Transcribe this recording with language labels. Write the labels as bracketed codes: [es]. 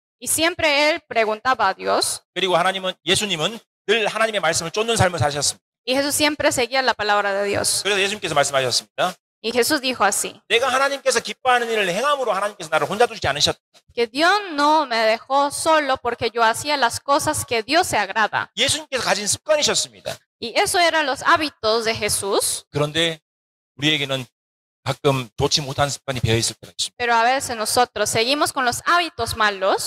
[es] Y siempre él preguntaba a Dios. [ko] 그리고 예수님은 늘 하나님의 말씀을 쫓는 삶을 사셨습니다. [es] Y Jesús siempre seguía la palabra de Dios. [ko] 그래서 예수님께서 말씀하셨습니다. [es] Y Jesús dijo así. [ko] 내가 하나님께서 기뻐하는 일을 행함으로 하나님께서 나를 혼자 두지 않으셨다. [es] Que Dios no me dejó solo porque yo hacía las cosas que Dios se agrada. [ko] 예수님께서 가진 습관이셨습니다. [es] Y eso eran los hábitos de Jesús. [ko] 그런데 우리에게는 가끔 좋지 못한 습관이 배어 있을 때가 있습니다. [es] Pero a veces nosotros seguimos con los hábitos malos.